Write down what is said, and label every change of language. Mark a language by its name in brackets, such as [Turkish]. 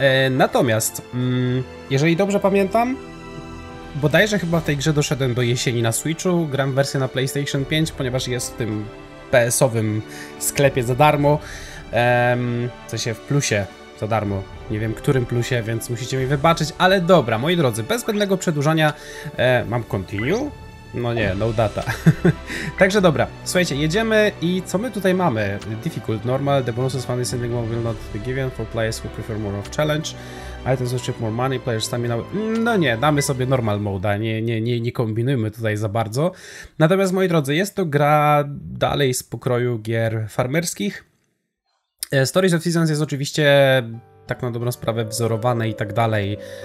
[Polish] Natomiast, jeżeli dobrze pamiętam, bodajże chyba w tej grze doszedłem do jesieni na Switchu, gram wersję na PlayStation 5, ponieważ jest w tym PS-owym sklepie za darmo, co się w plusie za darmo, nie wiem którym plusie, więc musicie mi wybaczyć, ale dobra, moi drodzy, bez zbędnego przedłużania, mam continue? No nie, [English] no data. [Polish] Także dobra, słuchajcie, jedziemy i co my tutaj mamy? [English] Difficult, normal, the bonuses fun is ending will not be given for players who prefer more of challenge. Items will chip more money, players stamina. [Polish] No nie, damy sobie normal moda, nie kombinujmy tutaj za bardzo. Natomiast moi drodzy, jest to gra dalej z pokroju gier farmerskich. Stories of Seasons jest oczywiście tak na dobrą sprawę wzorowane i tak dalej.